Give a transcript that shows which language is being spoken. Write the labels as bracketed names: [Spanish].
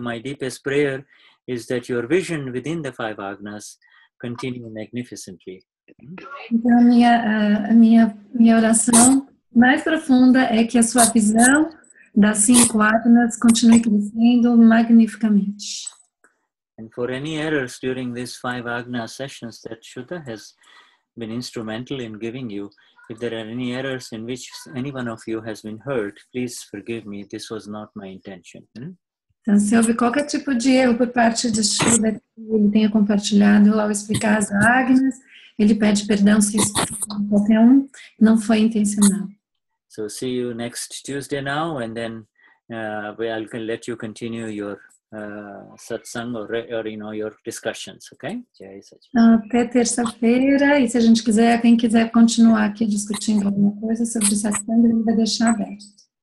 [English] My deepest prayer is that your vision within the five Agnas continue magnificently. [Portuguese] Então, minha oração mais profunda é que a sua visão das cinco Agnas continue crescendo magnificamente. [English] And for any errors during these five Agna sessions that Shuddha has been instrumental in giving you, if there are any errors in which any one of you has been hurt, please forgive me. This was not my intention. [Portuguese] Então, se houve qualquer tipo de erro por parte de Shuddha que ele tenha compartilhado ao explicar as Agnas, ele pede perdão se isso foi qualquer um, não foi intencional. [English] So see you next Tuesday now, and then I'll let you continue your satsang or you know your discussions, okay? [Portuguese] Até terça-feira, e se a gente quiser, quem quiser continuar aqui discutindo alguma coisa sobre satsang, ele vai deixar aberto.